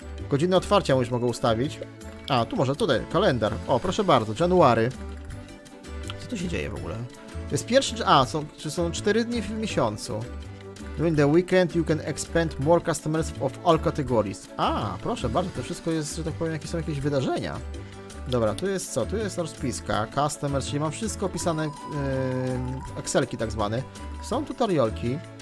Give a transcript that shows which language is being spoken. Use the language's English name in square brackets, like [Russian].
[Polish] Godziny otwarcia już mogę ustawić. A, tu może, tutaj, kalendar. O, proszę bardzo, January. Co tu się dzieje w ogóle? Jest pierwszy, czy są 4 dni w miesiącu. [English] During the weekend you can expand more customers of all categories. [Polish] A, proszę bardzo, to wszystko jest, że tak powiem, jakieś są jakieś wydarzenia. Dobra, tu jest co? Tu jest rozpiska, customers, czyli mam wszystko opisane, Excelki tak zwane. Są tutorialki.